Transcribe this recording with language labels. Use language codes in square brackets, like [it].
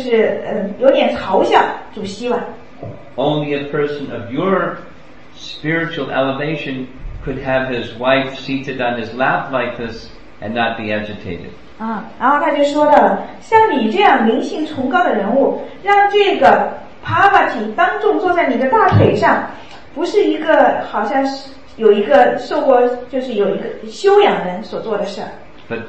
[zh] 然后呢，他就说了一些话，这些话呢，就是有点嘲笑主希瓦。 [en] Only a person of your spiritual elevation could have his wife seated on his lap like this and not be agitated. [zh] 然后他就说到了，像你这样灵性崇高的人物，让这个Parvati当众坐在你的大腿上，不是一个好像是有一个受过，就是有一个修养人所做的事。But